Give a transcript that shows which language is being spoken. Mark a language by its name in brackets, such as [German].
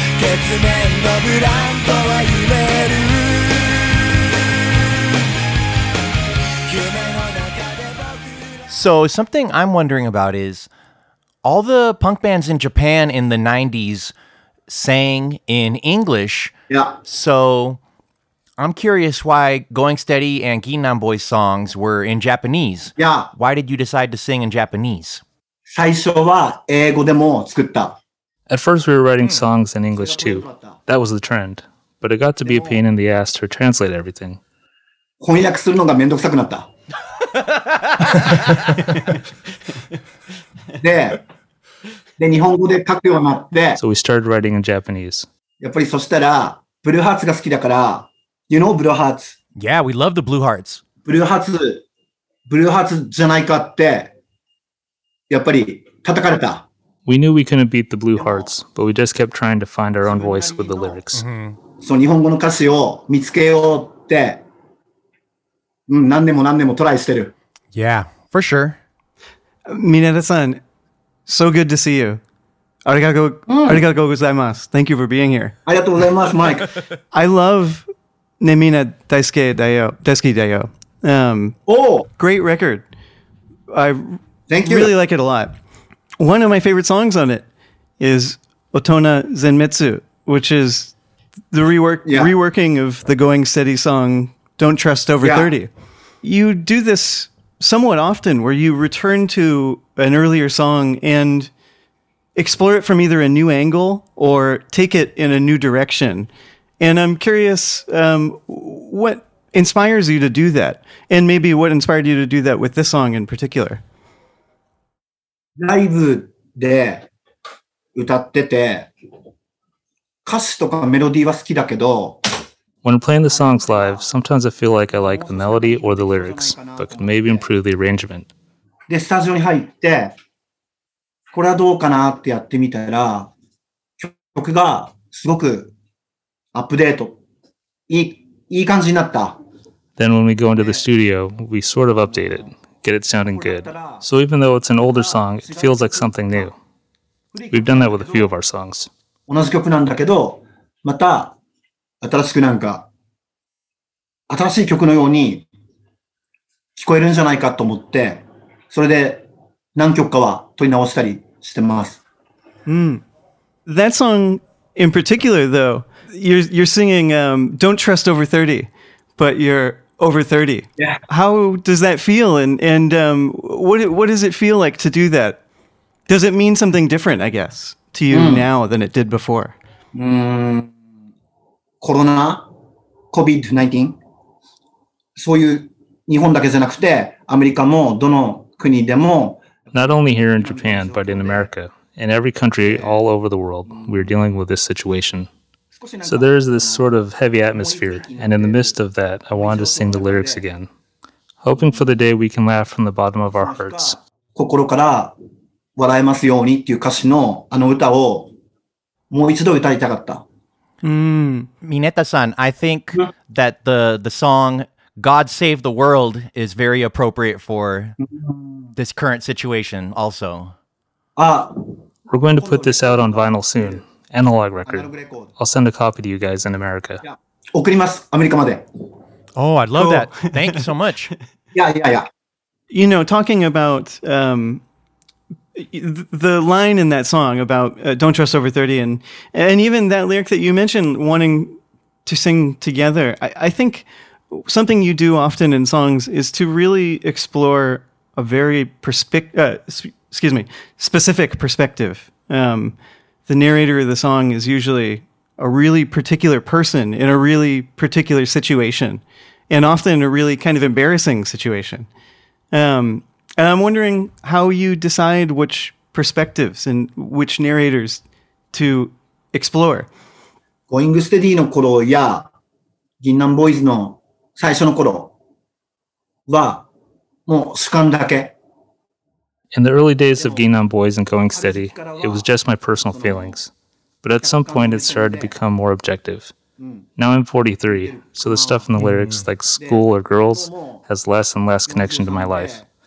[Japanese] 月面のブランコは夢る。 [English] So something I'm wondering about is all the punk bands in Japan in the 90s sang in English. Yeah. So I'm curious why Going Steady and Gangnam Boy's songs were in Japanese. Yeah. Why did you decide to sing in Japanese? [Japanese] 最初は英語でも作った。 [English] At first we were writing songs in English too. That was the trend. But it got to be a pain in the ass to translate everything. [Japanese] 翻訳するのが面倒くさくなった。で日本語で書くようになって、 [English] So we started writing in Japanese. [Japanese] やっぱりそしたらブルーハーツが好きだから、 [English] You know Blue Hearts? Yeah, we love the Blue Hearts. [Japanese] ブルーハーツじゃないかってやっぱり叩かれた。 [English] We knew we couldn't beat the Blue Hearts, but we just kept trying to find our own voice with the lyrics. [Japanese] そう、日本語の歌詞を見つけようって何年もトライしてる。 [English] Yeah, for sure. Mineta-san, so good to see you. [Japanese] Arigatou gozaimasu. [English] Thank you for being here. [Japanese] Arigatou gozaimasu, Mike. [English] I love Nemina Daisuke Dayo. Daisuke Dayo. Great record. Thank you. Really like it a lot. One of my favorite songs on it is Otona Zenmetsu, which is the reworking of the Going Steady song Don't Trust Over 30. You do this somewhat often where you return to an earlier song and explore it from either a new angle or take it in a new direction. And I'm curious, what inspires you to do that? And maybe what inspired you to do that with this song in particular? [Japanese] ライブで歌ってて、歌詞とかメロディーは好きだけど、 [English] When playing the songs live, sometimes I feel like I like the melody or the lyrics, but could maybe improve the arrangement. [Japanese] で、スタジオに入って、これはどうかなってやってみたら、曲がすごくアップデート、いい感じになった。 [English] Then when we go into the studio, we sort of update it, get it sounding good. So even though it's an older song, it feels like something new. We've done that with a few of our songs. [Japanese] 同じ曲なんだけど、また、新しくなんか新しい曲のように聞こえるんじゃないかと思って、それで何曲かは取り直したりしてます。 [English] That song in particular though, you're singing Don't Trust Over 30, but you're over 30. Yeah. How does that feel and what does it feel like to do that? Does it mean something different, I guess, to you now than it did before? [Japanese] コロナ、COVID-19、そういう日本だけじゃなくてアメリカもどの国でも、 [English] Not only here in Japan, but in America, in every country all over the world, we're dealing with this situation. So there is this sort of heavy atmosphere, and in the midst of that, I wanted to sing the lyrics again, hoping for the day we can laugh from the bottom of our hearts. [Japanese] 心から笑えますようにっていう歌詞のあの歌をもう一度歌いたかった。 [English] Mineta-san, I think that the song God Save the World is very appropriate for this current situation also. We're going to put this out on vinyl soon. Analog record. I'll send a copy to you guys in America. [Japanese] 送ります、アメリカまで。 [English] Oh, I'd love that. Thank you so much. Yeah. You know, talking about the line in that song about don't trust over 30, and even that lyric that you mentioned, wanting to sing together, I think something you do often in songs is to really explore a very specific perspective. The narrator of the song is usually a really particular person in a really particular situation, and often a really kind of embarrassing situation. And I'm wondering how you decide which perspectives and which narrators to explore. [Japanese] Going Steady の頃や銀杏ボーイズの最初の頃はもう主観だけ。 [English] In the early days of Gangnam Boys and Going Steady, it was just my personal feelings. But at some point, it started to become more objective. Now I'm 43, so the stuff in the lyrics, like school or girls, has less and less connection to my life.